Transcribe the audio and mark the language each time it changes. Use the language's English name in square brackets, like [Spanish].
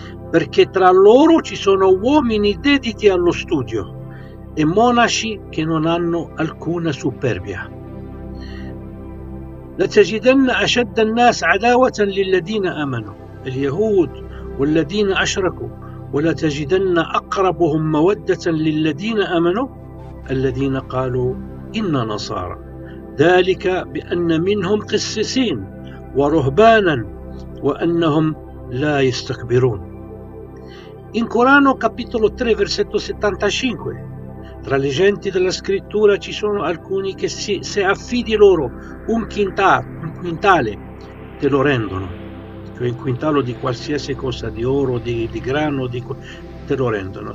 [Italian] Perché tra loro ci sono uomini dediti allo studio e monaci che non hanno alcuna superbia. [Arabic] لتجدن أشد الناس عداوة للذين آمنوا اليهود والذين أشركوا ولتجدن أقربهم مودة للذين آمنوا الذين قالوا إنا نصارى ذلك بأن منهم قسيسين ورهبانا وأنهم لا يستكبرون. [Italian] In Corano capitolo 3 versetto 75: tra le genti della scrittura ci sono alcuni che se affidi loro un quintale te lo rendono. Cioè, il quintalo di qualsiasi cosa, di oro, di grano, te lo rendono.